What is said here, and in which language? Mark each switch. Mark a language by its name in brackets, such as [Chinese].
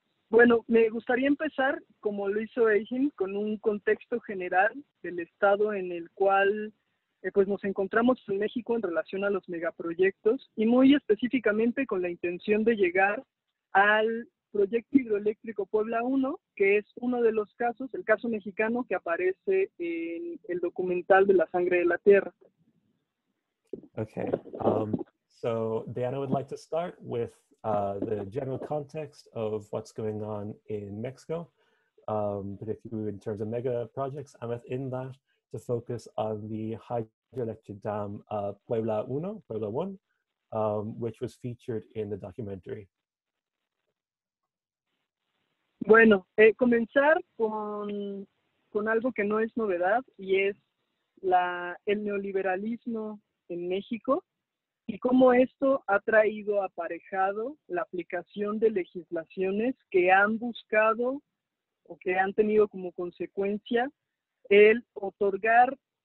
[Spanish] Bueno, me gustaría empezar, como lo hizo Eijin, con un contexto general del estado en el cual pues nos encontramos en México en relación a los megaproyectos y muy específicamente con la intención de llegar al proyecto hidroeléctrico Puebla 1, que es uno de los casos, el caso mexicano que aparece en el documental de La Sangre de la Tierra. [English] Okay, so Diana would like to start with the general context of what's going on in Mexico, particularly in terms of mega projects, and within that, to focus on the hydroelectric dam Puebla 1, which was featured in the documentary. [Spanish] Bueno, comenzar con algo que no es novedad, y es el neoliberalismo en México, y cómo esto ha traído aparejado la aplicación de legislaciones que han buscado o que han tenido como consecuencia el otorgar